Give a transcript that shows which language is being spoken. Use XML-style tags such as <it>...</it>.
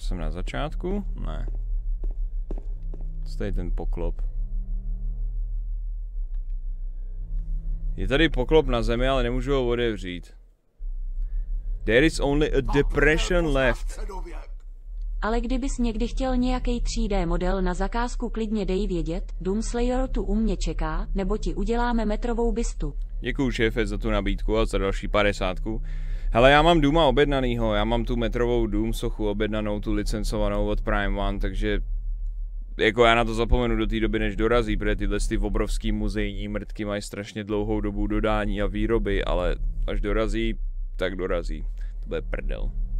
<cs>Začátku? Ne. Co tady ten poklop? Je tady poklop na zemi, ale nemůžu ho otevřít.</cs> <en>There is only a depression left.</en> <cs>Ale kdybys někdy chtěl nějaký 3D model na zakázku, klidně dej vědět. Doomslayer tu u mě čeká, nebo ti uděláme metrovou bystu. Děkuju šéfe za tu nabídku a za další 50. Hele, já mám Dooma objednanýho, já mám tu metrovou Doom sochu objednanou, tu licencovanou od Prime One, takže jako já na to zapomenu do té doby, než dorazí, protože tyhle ty obrovský muzejní mrtky mají strašně dlouhou dobu dodání a výroby, ale až dorazí, tak dorazí. To bude prdel.</cs>